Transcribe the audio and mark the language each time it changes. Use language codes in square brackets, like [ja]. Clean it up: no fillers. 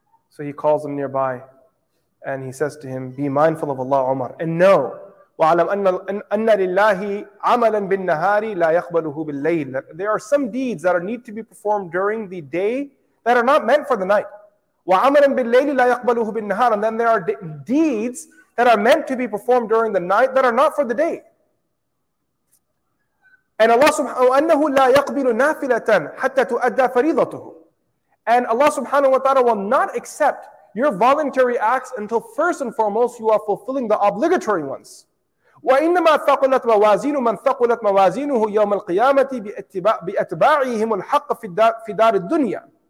[en] So he calls him nearby and he says to him, be mindful of Allah, Umar, and know, [ar] وَعَلَمْ أَنَّ لِلَّهِ عَمَلًا بِالنَّهَارِ لَا يَقْبَلُهُ بِاللَّيْلِ. [en] There are some deeds that need to be performed during the day that are not meant for the night. [ar] وَعَمَلًا بِاللَّيْلِ لَا يَقْبَلُهُ بِالنَّهَارِ. [en] And then there are deeds that are meant to be performed during the night that are not for the day. And Allah subhanahu [ar] أَنَّهُ لَا يَقْبِلُ نَافِلَةً حَتَّى تُؤَدَّى فَرِيضَتُهُ. [en] And Allah subhanahu wa ta'ala will not accept your voluntary acts until first and foremost you are fulfilling the obligatory ones. [ar] وَإِنَّمَا ثَقُلَتْ مَوَازِينُ مَنْ ثَقُلَتْ مَوَازِينُهُ يَوْمَ الْقِيَامَةِ بِأَتْبَاعِهِمُ الْحَقَّ فِي دَارِ الدُّنْيَا.